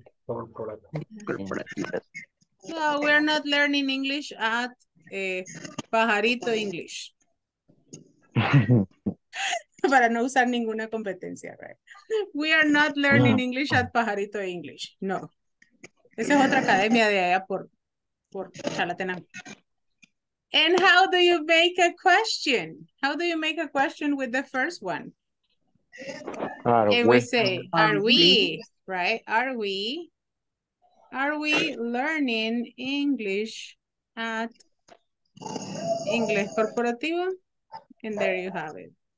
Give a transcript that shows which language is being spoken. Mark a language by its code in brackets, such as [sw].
[es] corporativo. [en] No, we're not learning English at Pajarito English. [es] Para no usar ninguna competencia, [en] right? We are not learning English at Pajarito English. No. [es] Esa es otra academia de allá por Chalatenango. [en] And how do you make a question? How do you make a question with the first one? And we say, are we, right? Are we learning English at Inglés Corporativo? And there you have it.